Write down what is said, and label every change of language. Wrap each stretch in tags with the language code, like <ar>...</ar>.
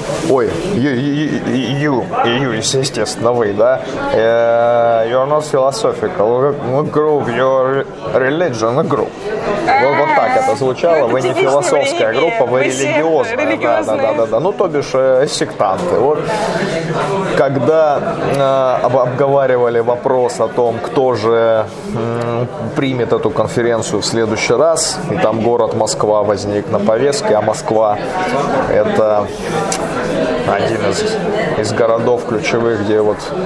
<ru>Ой, you, естественно, вы, да?</ru> <en>You are not philosophical group, you are religion group.</en> <ru>Вот так это звучало. Вы не философская группа, вы религиозная. Да. Ну, то бишь, сектанты. Вот. Когда обговаривали вопрос о том, кто же примет эту конференцию в следующий раз, и там город Москва возник на повестке, а Москва – это один из городов ключевых, где вот</ru>